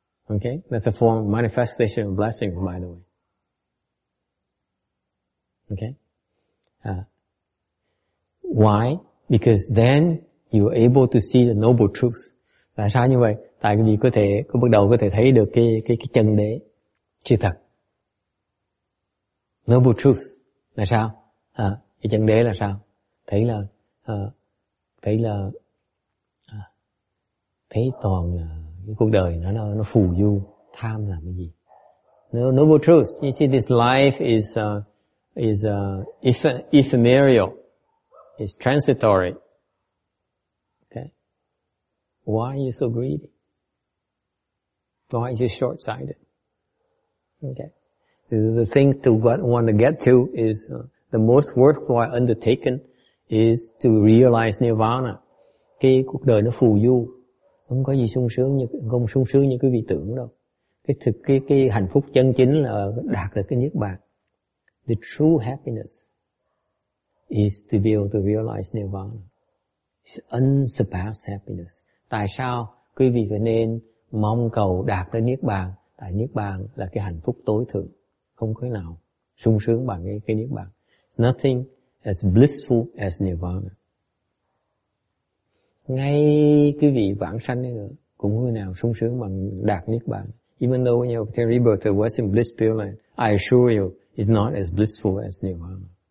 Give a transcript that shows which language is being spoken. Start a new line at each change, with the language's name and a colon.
English: Okay, that's a form of manifestation of blessings, by the way. Okay, why? Because then you are able to see the noble truth.
Vietnamese: Tại sao như vậy? Tại vì có thể bắt đầu thấy được cái chân đế chư thật. Noble truth là sao? Cái chân đế là sao? Thấy toàn cái cuộc đời nó phù du, tham là cái gì?
English: Noble truth. You see, this life is ephemeral, is transitory. Okay, why are you so greedy? Why are you short-sighted? Okay, the thing to want to get to is the most worthwhile undertaking is to realize nirvana.
Vietnamese: Cái cuộc đời nó phù du, không có gì sung sướng như quý vị tưởng đâu. Cái hạnh phúc chân chính là đạt được cái niết bàn.
English: The true happiness is to be able to realize nirvana. It's unsurpassed happiness.
Vietnamese: Tại sao quý vị phải nên mong cầu đạt tới niết bàn? Tại niết bàn là cái hạnh phúc tối thượng, không có nào sung sướng bằng cái niết bàn.
English: Nothing as blissful as nirvana.
Vietnamese: Ngay quý vị vãng sanh ấy nữa cũng không nào sung sướng bằng đạt niết bàn.
English: Even though when you obtain rebirth, it was in bliss pure land, I assure you, it's not as blissful as nirvana.